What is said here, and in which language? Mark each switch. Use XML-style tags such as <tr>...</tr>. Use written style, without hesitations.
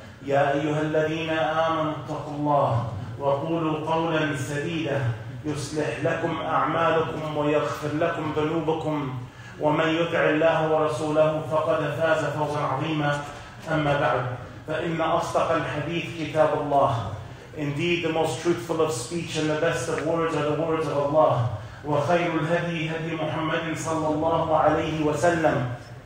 <ar>يا أيها الذين آمنوا اتقوا الله وقولوا قولا سديدا يصلح لكم أعمالكم ويغفر لكم ذنوبكم ومن يطع الله ورسوله فقد فاز فوزا عظيما. أما بعد فإن أصدق الحديث كتاب الله.</ar> <en>Indeed, the most truthful of speech and the best of words are the words of Allah.</en> <ar>وخير الهدي هدي محمد صلى الله عليه وسلم.</ar>